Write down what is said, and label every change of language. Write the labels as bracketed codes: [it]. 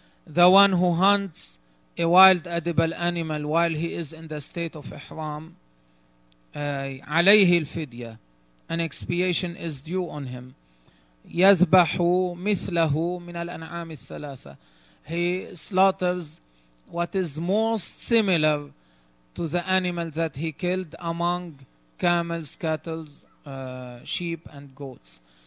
[en] The one who hunts a wild edible animal while he is in the state of ihram, [ar] عليه الفدية. [en] An expiation is due on him. [ar] يذبح مثله من الأنعام الثلاثة. [en] He slaughters what is most similar to the animal that he killed among camels, cattle, sheep and goats.